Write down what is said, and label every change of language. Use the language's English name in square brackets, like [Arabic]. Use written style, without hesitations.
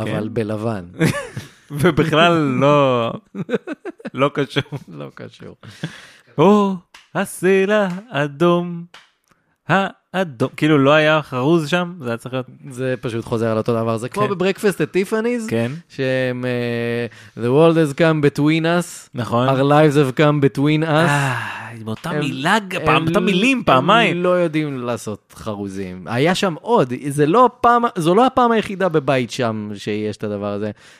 [Hebrew] אבל בלבן. ובכלל לא... לא קשור. לא קשור. או, הסלע האדום... אדום, כאילו לא היה חרוז שם, זה היה צריך להיות... זה פשוט חוזר על אותו דבר, זה כמו בברקפסט את טיפניז, כן. שהם, [English] the world has come between us, נכון. our lives have come between us. [Hebrew] באותה מילה, באותה מילים, פעמיים. הם לא יודעים לעשות חרוזים. היה שם עוד, זה לא הפעם, זו לא הפעם היחידה בבית שם, שיש את הדבר הזה.